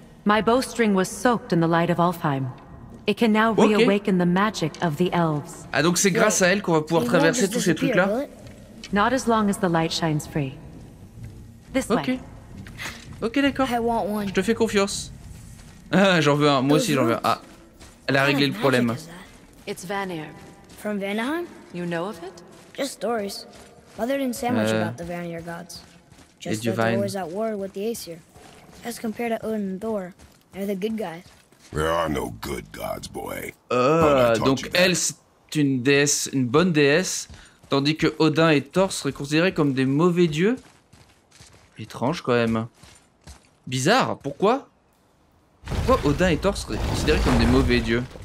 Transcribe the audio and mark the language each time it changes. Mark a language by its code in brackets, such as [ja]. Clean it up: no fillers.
[en] My bowstring was soaked in the light of Alfheim. It can now reawaken the magic of the elves. [fr] Ah, donc c'est grâce à elle qu'on va pouvoir traverser tous ces trucs-là? [en] Not as long as the light shines free. This way. [fr] Ok, d'accord. Je te fais confiance. Ah, j'en veux un. Moi aussi, j'en veux un. Ah, elle a réglé le problème. [en] It's Vanir. From Vanaheim? You know of it? Just stories. Mother didn't say much about the Vanir gods. Just that they're always at war with the Aesir. As compared to Odin and Thor, they're the good guys. There are no good gods, boy. [fr] Donc elle, c'est une déesse, une bonne déesse, tandis que Odin et Thor seraient considérés comme des mauvais dieux. Étrange quand même. Bizarre, pourquoi Odin et Thor seraient considérés comme des mauvais dieux?